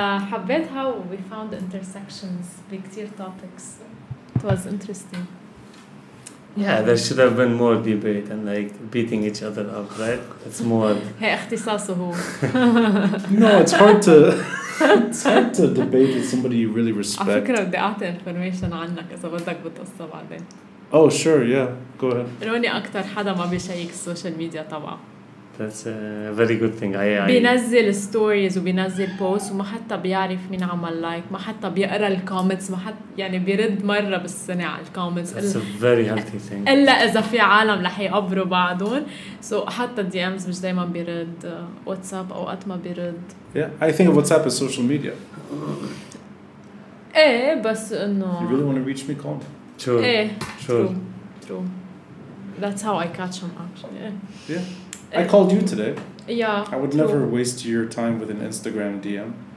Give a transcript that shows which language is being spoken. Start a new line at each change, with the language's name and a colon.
Arabic: حبيت
English: how we found intersections
Arabic: بكتير
English: topics. It was interesting. Yeah, there should have been more debate and like beating each other up, right? It's more.
Arabic: هي اختصاصه هو.
English: No, it's hard to debate with somebody you really respect.
Arabic: عفكرة بدي أعطي information عنك إذا بدك بتقصة بعدين.
English: Oh, sure, yeah. Go ahead.
Arabic: روني أكتر حدا ما بيشيك السوشيال ميديا طبعا.
English: That's a very good thing.
Arabic: بينزل stories وبينزل posts وما حتى بيعرف مين عمل like, ما حتى بيقرأ ال comments, ما حتى يعني بيرد مرة بالسنة على ال comments.
English: That's a very healthy thing.
Arabic: إلا إذا في عالم لح يقبروا بعضهم. So حتى DMs مش دايما بيرد, WhatsApp أو أوقات ما بيرد.
English: Yeah, I think of WhatsApp as social media.
Arabic: إيه بس إنه.
English: You really want to reach me, call me. True. إيه. True. That's how I catch them actually. Yeah. I called you today. Yeah. I would never waste your time with an Instagram DM.